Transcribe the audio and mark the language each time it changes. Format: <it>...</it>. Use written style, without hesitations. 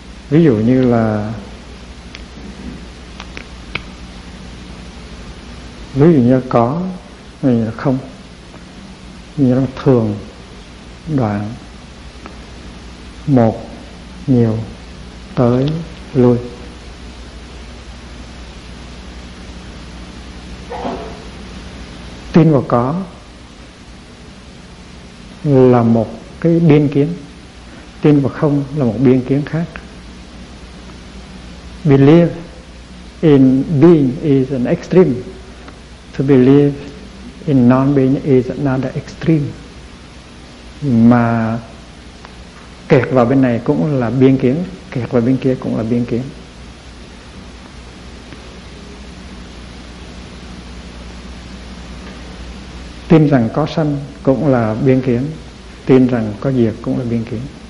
<vi>Ví dụ như là có hay là không, như là thường, đoạn, một, nhiều, tới, lui. Tin vào có là một cái biên kiến, tin vào không là một biên kiến khác.</vi> <en>Believe in being is an extreme. To believe in non-being is another extreme.</en> <vi>Mà kẹt vào bên này cũng là biên kiến, kẹt vào bên kia cũng là biên kiến. Tin rằng có sanh cũng là biên kiến, tin rằng có diệt cũng là biên kiến.</vi>